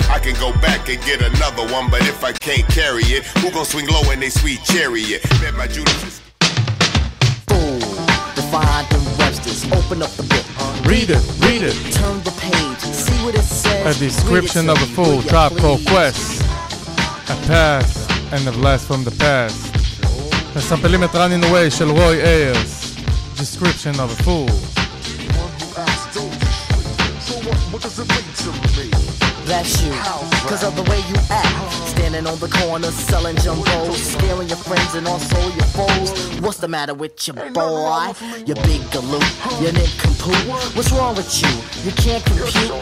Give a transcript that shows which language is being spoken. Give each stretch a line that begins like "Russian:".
English: I can go back and get another one, but if I can't carry it, who gon' swing low in they sweet chariot? Bet my Judas is... Fool, divide the Webster's, open up the book. Read it, read it. Turn the page, see what it says. A description of a fool, Tribe Called Quest. A path, and a blast from the past.
Hebrew: מספלים את Running Away של רוי איירס.
English: Description of a fool. That's you, cause of the way you act. Standing on the corner selling jumbos, scaring your friends and also your foes. What's the matter with your boy? Your big galoot, your nincompoop. What's wrong with you? You can't compute.